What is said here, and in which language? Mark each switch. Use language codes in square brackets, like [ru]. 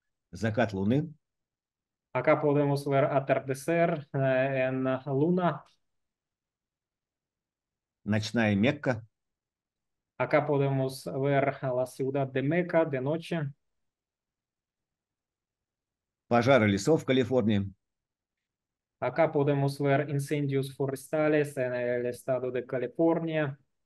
[ru] Закат луны. [es] Acá podemos ver atardecer en luna. [ru] Ночная Мекка. [es] Acá podemos ver la ciudad de Meca de noche. [ru] Пожары лесов в Калифорнии. [es] Acá podemos ver incendios forestales en el estado de California.